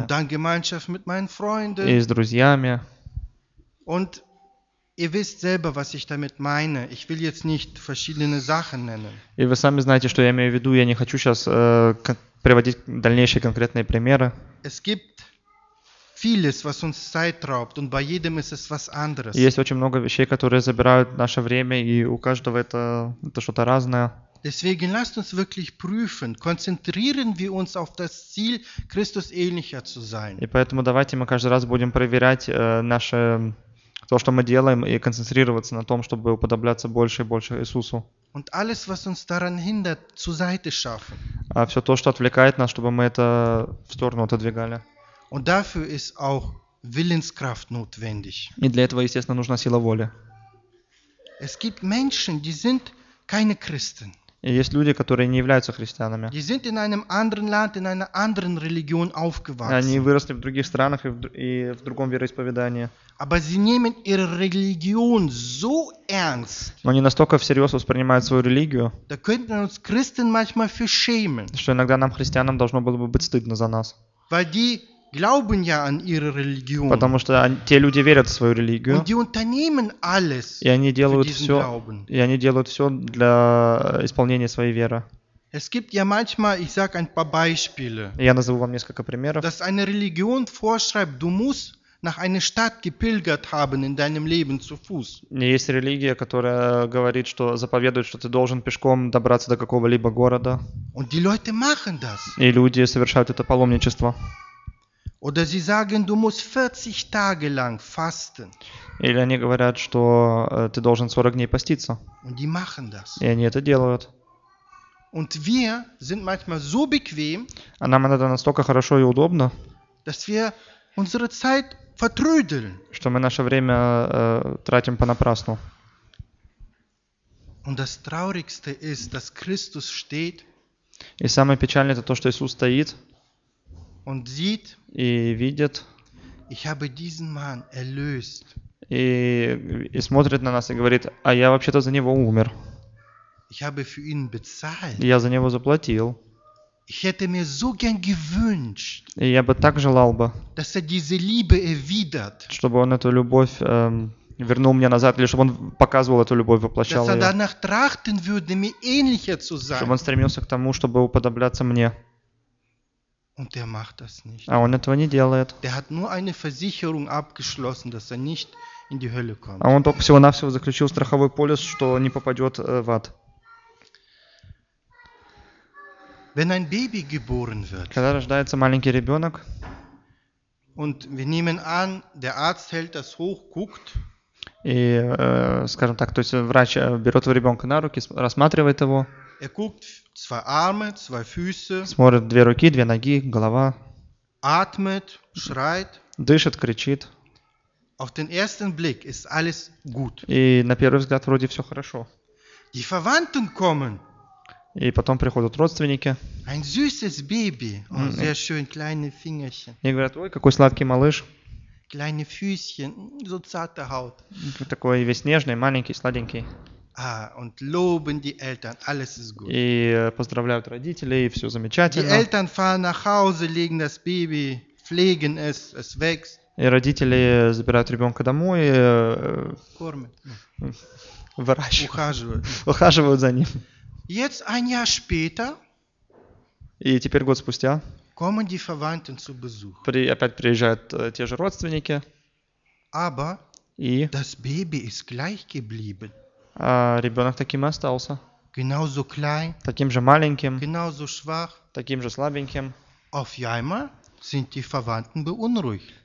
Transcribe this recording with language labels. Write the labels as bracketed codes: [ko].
[de] Und dann Gemeinschaft mit meinen Freunden. [ru] И с друзьями. [de] Und ihr wisst selber, was ich damit meine. Ich will jetzt nicht verschiedene Sachen nennen. [ru] И вы сами знаете, что я имею в виду. Я не хочу сейчас приводить дальнейшие конкретные примеры. [de] Es gibt vieles, was uns Zeit raubt, und bei jedem ist es was anderes. [ru] Есть очень много вещей, которые забирают наше время, и у каждого это что-то разное. [de] Deswegen lasst uns wirklich prüfen. Konzentrieren wir uns auf das Ziel, Christus ähnlicher zu sein. [ru] И поэтому давайте мы каждый раз будем проверять наше то, что мы делаем, и концентрироваться на том, чтобы уподобляться больше и больше Иисусу. [de] Und alles, was uns daran hindert, zur Seite schaffen. [ru] А все то, что отвлекает нас, чтобы мы это в сторону отодвигали. [de] Und dafür ist auch Willenskraft notwendig. [ru] И для этого, естественно, нужна сила воли. [de] Es gibt Menschen, die sind keine Christen. [ru] И есть люди, которые не являются христианами. [de] Die sind in einem anderen Land, in einer anderen Religion aufgewachsen. [ru] Они выросли в других странах и в другом вероисповедании. [de] Aber sie nehmen ihre Religion so ernst. [ru] Но они настолько всерьез воспринимают свою религию. [de] Da könnten uns Christen manchmal für schämen. [ru] Что иногда нам, христианам, должно было бы быть стыдно за нас. [de] Weil die Glauben ja an ihre Religion. [ru] Потому что те люди верят в свою религию. [de] Und die unternehmen alles [ru] и они делают [de] für diesen Glauben. [ru] Все, и они делают все для исполнения своей веры. [de] Es gibt ja manchmal, ich sag ein paar Beispiele, [ru] я назову вам несколько примеров. [de] Dass eine Religion vorschreibt, du musst nach einer Stadt gepilgert haben in deinem Leben zu Fuß. [ru] Есть религия, которая говорит, что заповедует, что ты должен пешком добраться до какого-либо города. [de] Und die Leute machen das. [ru] И люди совершают это паломничество. [de] Oder sie sagen, du musst 40 Tage lang fasten. [ru] Или они говорят, что ты должен 40 дней поститься. [de] Und die machen das. [ru] И они это делают. [de] Und wir sind manchmal so bequem, [ru] а нам иногда настолько хорошо и удобно, [de] dass wir unsere Zeit vertrödeln. [ru] Что мы наше время тратим понапрасну. [de] Und das Traurigste ist, dass Christus steht, [ru] и самое печальное это то, что Иисус стоит. [de] Und sieht, [ru] и видит, [de] ich habe diesen Mann erlöst. [ru] И смотрит на нас и говорит, а я вообще-то за него умер. [de] Ich habe für ihn bezahlt. [ru] Я за него заплатил. [de] Ich hätte mir so gern gewünscht, [ru] и я бы так желал бы, [de] dass er diese Liebe erwidert, [ru] чтобы он эту любовь вернул мне назад, или чтобы он показывал эту любовь, воплощал [de] dass er danach trachten würde, mir ähnlicher zu sein. [ru] Чтобы он стремился к тому, чтобы уподобляться мне. [de] Und er macht das nicht. [ru] А он этого не делает. [de] Der hat nur eine Versicherung abgeschlossen, dass er nicht in die Hölle kommt. [ru] А он только всего-навсего заключил страховой полис, что не попадет в ад. [de] Wenn ein Baby geboren wird, [ru] когда рождается маленький ребенок, [de] und wir nehmen an, der Arzt hält das hoch, guckt, [ru] и, скажем так, то есть врач берет ребенка на руки, рассматривает его. [de] Er guckt zwei Arme, zwei Füße. [ru] Смотрит две руки, две ноги, голова. [de] Atmet, schreit. [ru] Дышит, кричит. [de] Auf den ersten Blick ist alles gut. [ru] И на первый взгляд вроде все хорошо. [de] Die Verwandten kommen. [ru] И потом приходят родственники. [de] Ein süßes Baby. Oh, sehr schön, kleine Fingerchen. [ru] И говорят, ой, какой сладкий малыш. [de] kleine Füßchen, so zarte Haut. [ru] Такой весь нежный, маленький, сладенький. [de] А, und loben die Eltern, alles ist gut. [ru] И поздравляют родителей, все замечательно. [de] Die Eltern fahren nach Hause, legen das Baby, pflegen es, es wächst. [ru] И родители забирают ребенка домой, кормят, выращивают, ухаживают. Ухаживают за ним. [de] Jetzt ein Jahr später, [ru] и теперь год спустя, [de] kommen die Verwandten zu Besuch. [ru] Опять приезжают те же родственники. [de] Aber [ru] и [de] das Baby ist gleich geblieben. [ru] А ребенок таким и остался. [de] Genauso klein, [ru] таким же маленьким. [de] Genauso schwach, [ru] таким же слабеньким. [de] Auf einmal sind die Verwandten beunruhigt.